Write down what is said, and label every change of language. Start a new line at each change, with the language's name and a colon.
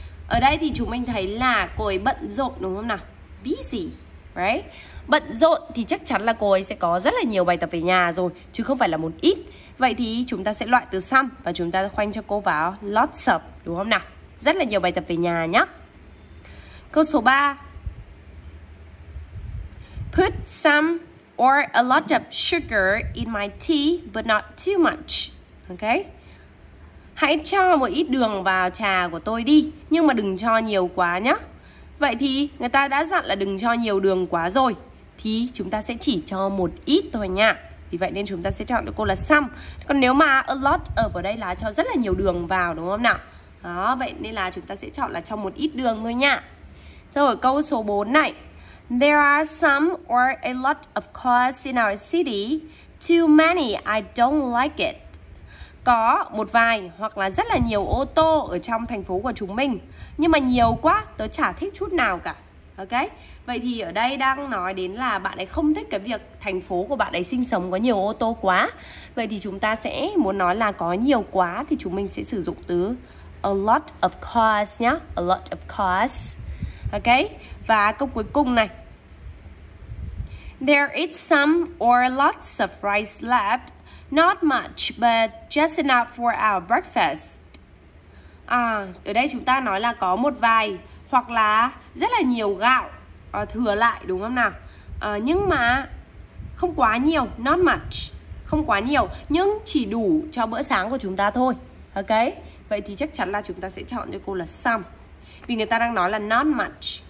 Vietnamese: Ở đây thì chúng mình thấy là cô ấy bận rộn, đúng không nào? Busy, right? Bận rộn thì chắc chắn là cô ấy sẽ có rất là nhiều bài tập về nhà rồi, chứ không phải là một ít. Vậy thì chúng ta sẽ loại từ some và chúng ta khoanh cho cô vào lots of, đúng không nào? Rất là nhiều bài tập về nhà nhá. Câu số 3.
English: Put some or a lot of sugar in my tea, but not too much. Okay?
Vietnamese: Hãy cho một ít đường vào trà của tôi đi, nhưng mà đừng cho nhiều quá nhá. Vậy thì người ta đã dặn là đừng cho nhiều đường quá rồi, thì chúng ta sẽ chỉ cho một ít thôi nha. Vì vậy nên chúng ta sẽ chọn được cô là some. Còn nếu mà a lot of ở đây là cho rất là nhiều đường vào, đúng không nào? Đó, vậy nên là chúng ta sẽ chọn là cho một ít đường thôi nha. Rồi câu số 4 này.
English: There are some or a lot of cars in our city. Too many, I don't like it.
Vietnamese: Có một vài hoặc là rất là nhiều ô tô ở trong thành phố của chúng mình, nhưng mà nhiều quá, tớ chả thích chút nào cả. Ok? Vậy thì ở đây đang nói đến là bạn ấy không thích cái việc thành phố của bạn ấy sinh sống có nhiều ô tô quá. Vậy thì chúng ta sẽ muốn nói là có nhiều quá thì chúng mình sẽ sử dụng từ a lot of cars nhá. A lot of cars. Ok? Và câu cuối cùng này.
English: There is some or lots of rice left. Not much, but just enough for our breakfast.
Vietnamese: Ở đây chúng ta nói là có một vài hoặc là rất là nhiều gạo thừa lại, đúng không nào? Nhưng mà không quá nhiều, not much. Không quá nhiều, nhưng chỉ đủ cho bữa sáng của chúng ta thôi. Ok? Vậy thì chắc chắn là chúng ta sẽ chọn cho cô là some. Vì người ta đang nói là not much,